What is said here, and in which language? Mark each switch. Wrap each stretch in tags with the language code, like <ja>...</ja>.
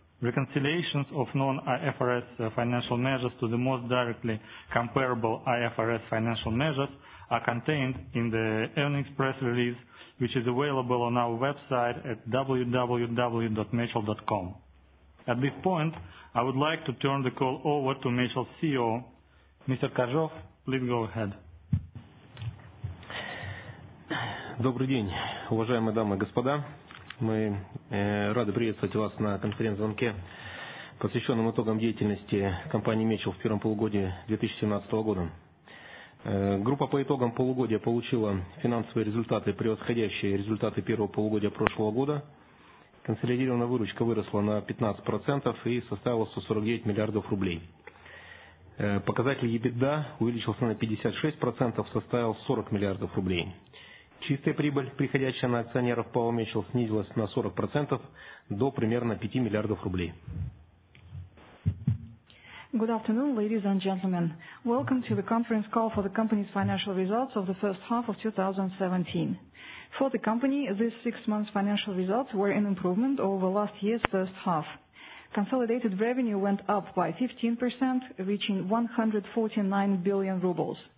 <en>Reconciliations of non-IFRS financial measures to the most directly comparable IFRS financial measures are contained in the earnings press release, which is available on our website at www.mitchell.com. At this point, I would like to turn the call over to Mitchell's CEO. Mr. Korzhov, please go ahead.</en> <ru>Добрый день, уважаемые дамы и господа. Мы рады приветствовать вас на конференц-звонке, посвященном итогам деятельности компании Mitchell в первом полугодии 2017 года. Группа по итогам полугодия получила финансовые результаты, превосходящие результаты первого полугодия прошлого года. Консолидированная выручка выросла на 15% и составила 149 миллиардов рублей. Показатель EBITDA увеличился на 56%, составил 40 миллиардов рублей. Чистая прибыль, приходящая на акционеров Power Mitchell, снизилась на 40% до примерно 5 миллиардов рублей.</ru> <en>Good afternoon, ladies and gentlemen. Welcome to the conference call for the company's financial results of the first half of 2017. For the company, this 6 months financial results were an improvement over last year's first half. Consolidated revenue went up by 15%, reaching 149 billion rubles.</en>